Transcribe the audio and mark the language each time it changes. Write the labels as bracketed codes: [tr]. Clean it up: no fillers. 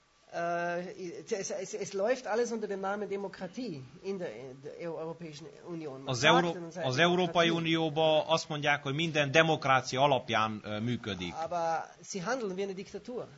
[de] Es läuft alles unter dem Namen Demokratie in der Europäischen Union. [hu] Az Európai Unióba azt mondják, hogy minden demokrácia alapján működik. [de] Aber sie handeln wie eine Diktatur.